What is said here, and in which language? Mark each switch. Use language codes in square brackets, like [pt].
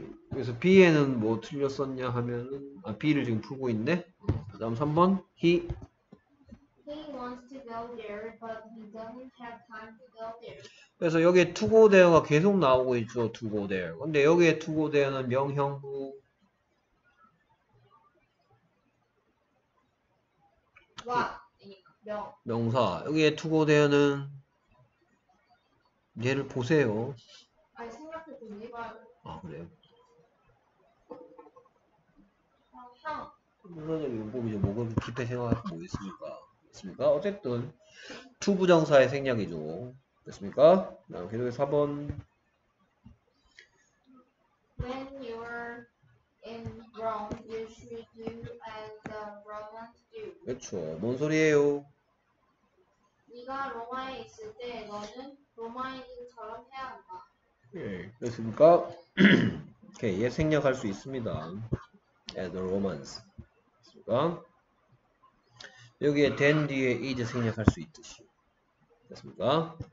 [ko] 그래서 B에는 뭐 틀렸었냐 하면은, 아, B를 지금 풀고 있네. 그 다음 3번. He. [en] He wants to go there, but he doesn't have time to go there. [ko] 그래서 여기에 [en] to go there [ko] 가 계속 나오고 있죠. to go there. 근데 여기에 to go there는 명형부. [en] What? [ko] 명. 명사. 여기에 to go there는 얘를 보세요. 아니, 생각해 좀 해봐요. 아, 그래요? 형. 부정적인 용법이죠. 뭐 그렇게 깊게 생각할 게뭐 있습니까? 어쨌든 투 부정사의 생략이죠. 됐습니까? 그럼 계속해서 4번. [en] When you're in Rome, you should do as the Romans do. [ko] 그렇죠. 뭔 소리예요? 네가 로마에 있을 때 너는 로마인처럼 해야 한다. 예, 그렇습니까? 오케이, 얘 생략할 수 있습니다. [en] As the Romans. [ko] 그렇습니까? 여기에 then 뒤에 is 생략할 수 있듯이. 그렇습니까?